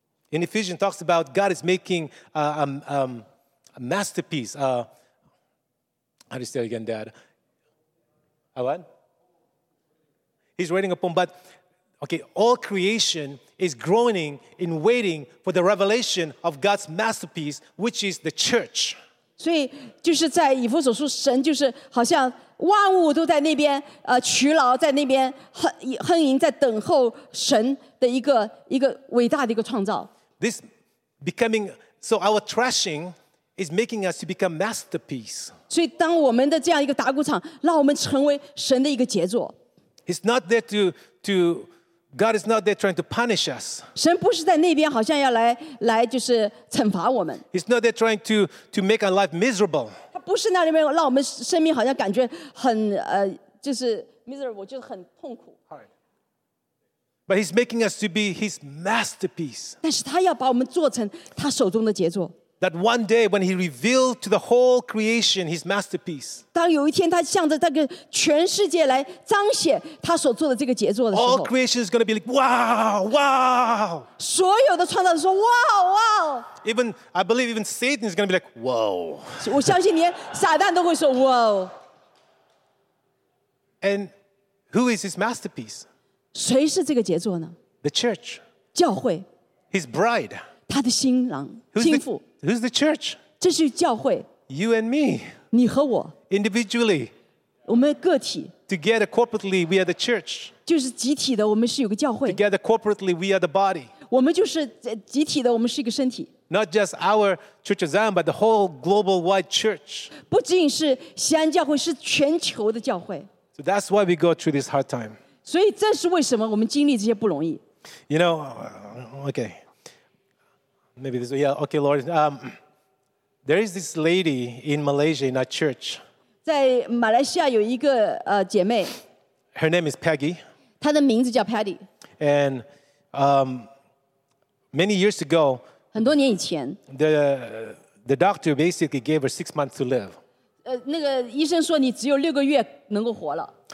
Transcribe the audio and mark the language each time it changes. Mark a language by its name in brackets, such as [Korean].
[English] In Ephesians, talks about God is making a masterpiece. How do you say it again, Dad? What? He's writing a poem, but okay, all creation is groaning in waiting for the revelation of God's masterpiece, which is the church. [Chinese] 所以就是在以弗所书，神就是好像万物都在那边劬劳，在那边恨迎，在等候神的一个伟大的一个创造。 [English] This becoming, so our threshing is making us to become masterpiece. [Chinese] 所以当我们的这样一个打鼓场，让我们成为神的一个杰作。 [English] He's not there to, God is not there trying to punish us. [Chinese] 神不是在那边好像要来就是惩罚我们。 [English] He's not there trying to make our life miserable. [Chinese] 他不是那里面让我们生命好像感觉很就是 miserable, 就是很痛苦。 [English] But he's making us to be his masterpiece. [Chinese] 但是他要把我们做成他手中的杰作。 [English] That one day when he revealed to the whole creation his masterpiece. [Chinese] 当有一天他向着这个全世界来彰显他所做的这个杰作的时候， [English] all creation is going to be like, wow, wow. [Chinese] 所有的创造者说 [English] wow, wow. Even I believe even Satan is going to be like, whoa. [Chinese] 我相信连撒旦都会说 whoa. [English] And who is his masterpiece? [Chinese] 谁是这个杰作呢？ [English] The church. [Chinese] 教会。 [English] His bride. [Chinese] 他的新郎，新妇。 [English] Who's the church? [Chinese] 这是教会。 [English] You and me. [Chinese] 你和我。 [English] Individually. [Chinese] 我们个体。 [English] Together corporately, we are the church. [Chinese] 就是集体的，我们是有个教会。 [English] Together corporately, we are the body. [Chinese] 我们就是集体的，我们是一个身体。 [English] Not just our church of Zion, but the whole global wide church. [Chinese] 不仅是西安教会，是全球的教会。 [English] So that's why we go through this hard time. [Chinese] 所以这是为什么我们经历这些不容易。 [English] You know, okay. Maybe this, yeah, okay, Lord. There is this lady in Malaysia in our church. [Chinese] 在马来西亚有一个姐妹。 [English] Her name is Peggy. [Chinese] 她的名字叫 Patty. [English] And many years ago, [Chinese] 很多年以前, [English] the doctor basically gave her 6 months to live. [Chinese] 那个医生说你只有六个月能够活了。